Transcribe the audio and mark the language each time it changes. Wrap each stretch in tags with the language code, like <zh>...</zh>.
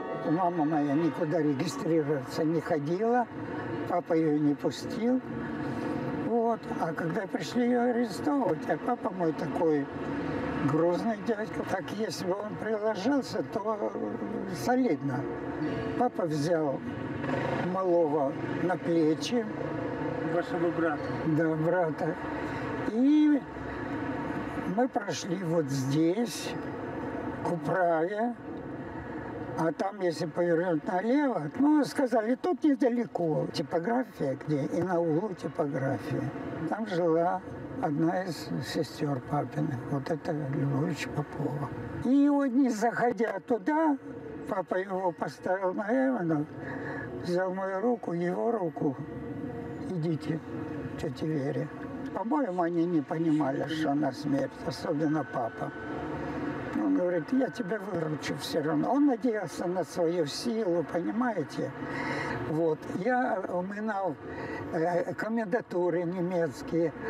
<uk>Мама моя нікуди реєструватися не ходила, папа її не пустив. От. А коли прийшли її арестовувати, а папа мій такий грозний дядько, так якби він приложився, то солідно. Папа взяв малого на плечі. Вашого брата? Да, брата.</uk> <ru>И мы прошли вот здесь, к управе, а там, если повернуть налево, ну, сказали, тут недалеко. Типография где? И на углу типография. Там жила одна из сестер папины, вот это Любовь Попова. И вот не заходя туда, папа его поставил на Эвана, взял мою руку, его руку, идите, тетя Вере.</ru> <uk>По-моєму, вони не розуміли, що на смерть, особливо папа. Він говорить, я тебе виручу все одно. Він надіявся на свою силу, розумієте? Вот. Я оминав комендатури німецькі.</uk>